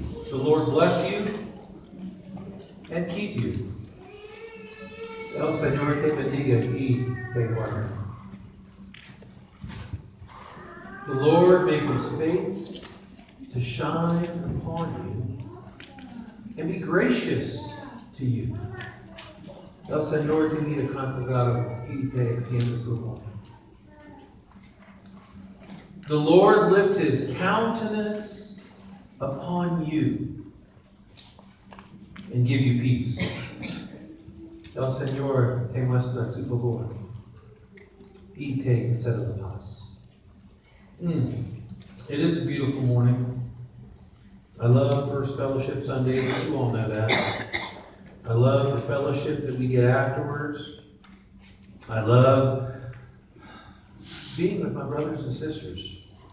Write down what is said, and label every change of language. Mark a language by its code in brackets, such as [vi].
[en] The Lord bless you and keep you. [es] El Señor te bendiga y te guarde. [en] The Lord make his face to shine upon you and be gracious to you. [es] El Señor te mira con cuidado y te extiende su mano. [en] The Lord lift his countenance upon you and give you peace. [es] El Señor te muestra su favor y te concede la paz. [en] It is a beautiful morning. I love First Fellowship Sunday, but you all know that. I love the fellowship that we get afterwards. I love being with my brothers and sisters.